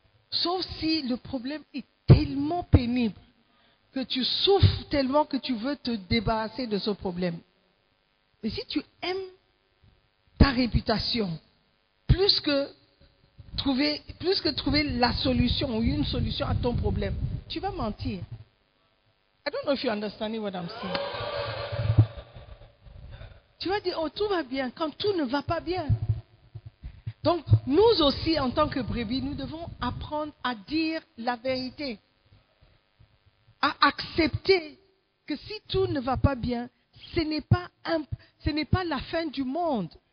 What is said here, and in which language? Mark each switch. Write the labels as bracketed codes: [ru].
[fr] Sauf si le problème est tellement pénible, que tu souffres tellement que tu veux te débarrasser de ce problème. Mais si tu aimes ta réputation plus que trouver la solution ou une solution à ton problème, tu vas mentir. [en] I don't know if you understand what I'm saying. [fr] Tu vas dire, oh, tout va bien, quand tout ne va pas bien. Donc, nous aussi, en tant que brebis, nous devons apprendre à dire la vérité. À accepter que si tout ne va pas bien, ce n'est pas la fin du monde.